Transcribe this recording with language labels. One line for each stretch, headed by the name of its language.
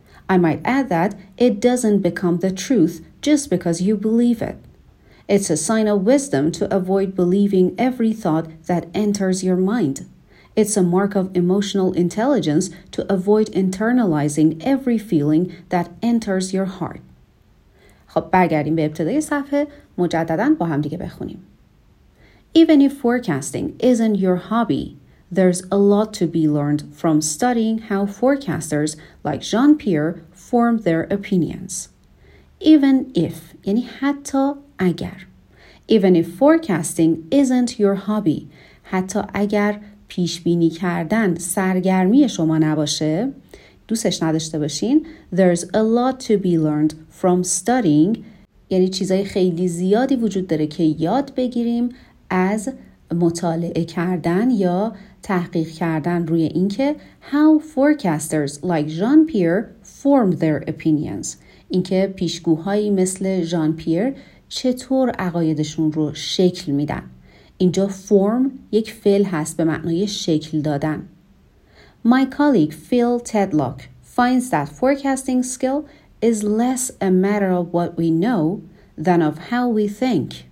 English: I might add that it doesn't become the truth just because you believe it. It's a sign of wisdom to avoid believing every thought that enters your mind. It's a mark of emotional intelligence to avoid internalizing every feeling that enters your heart.
Persian: خب برگردیم به ابتدای صفحه مجدداً با هم دیگه بخونیم.
English: Even if forecasting isn't your hobby, there's a lot to be learned from studying how forecasters like Jean-Pierre form their opinions. Even if,
Persian: یعنی حتی اگر.
English: Even if forecasting isn't your hobby,
Persian: حتی اگر پیشبینی کردن سرگرمی شما نباشه، دوستش نداشته باشین،
English: there's a lot to be learned from studying،
Persian: یعنی چیزای خیلی زیادی وجود داره که یاد بگیریم از مطالعه کردن یا تحقیق کردن روی اینکه
English: how forecasters like Jean-Pierre form their opinions،
Persian: اینکه پیشگوهایی مثل Jean-Pierre چطور عقایدشون رو شکل میدن. اینجا form یک فعل هست به معنای شکل دادن.
English: My colleague Phil Tedlock finds that forecasting skill is less a matter of what we know than of how we think.